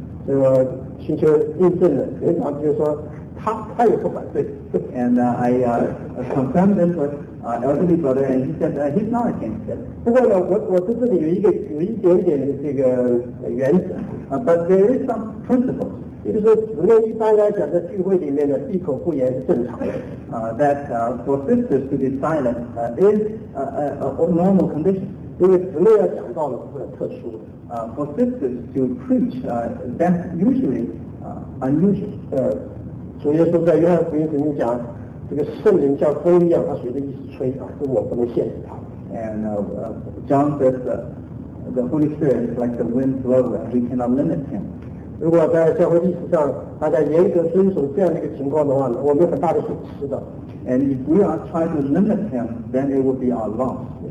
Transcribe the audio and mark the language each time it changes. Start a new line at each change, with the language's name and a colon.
Chinese: 所以我寻求印证的，年长就是说，他也不反对。And
English: confirmed this with elderly brother, and he said he's not against it.
Chinese: 不过呢，我在这里有一点点这个原则。
English: But there is some principles.
Chinese: 就是姊妹一般来讲，在聚会里面呢，闭口不言是正常的。
English: That for sisters to be silent is a normal condition. For sisters to preach, that's usually unusual. And John says the Holy Spirit is like the wind blows, and we cannot limit him.
Chinese: 如果在教会历史上大家严格遵守这样的一个情况的话，我们很大的损失的。
English: And if we are trying to limit him, then it will be our loss.